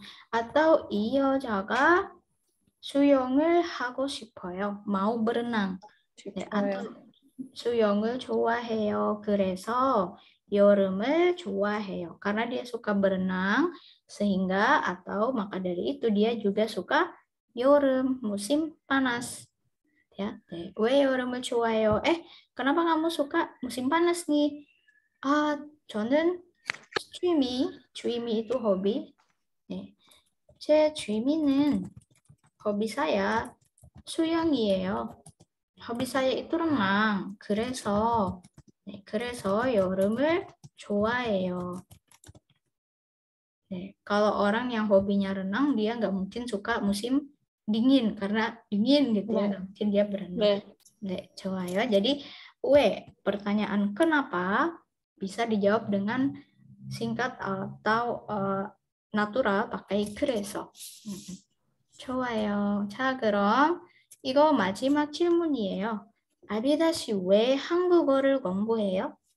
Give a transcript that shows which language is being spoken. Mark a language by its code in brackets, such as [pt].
[ko] 아따 이 여자가 수영을 하고 싶어요. [id] 마우 브르낭. [ko] 네, 아따 수영을 좋아해요. 그래서 여름을 좋아해요. [id] Karena dia suka berenang, sehingga atau maka dari itu dia juga suka 여름, musim panas. [ko] Ya, 네. 왜 여름을 좋아해요? [id] 그나마 kamu suka musim panas nih? [ko] 아, 저는 취미 [id] itu hobi. [ko] 네. 제 취미는 [id] hobi saya [ko] 수영이에요. [id] Hobi saya itu renang. [ko] 그래서 네. 그래서 여름을 좋아해요. 네. [id] Kalau orang yang hobinya renang, dia nggak mungkin suka musim dingin karena dingin gitu ya, nggak mungkin dia berenang. Ne, jawabnya. Jadi, we, pertanyaan kenapa bisa dijawab dengan singkat atau natural pakai 그래서. [ko] 좋아요. 자, 그럼 이거 마지막 질문이에요. 아비다 씨, 왜 한국어를 공부해요?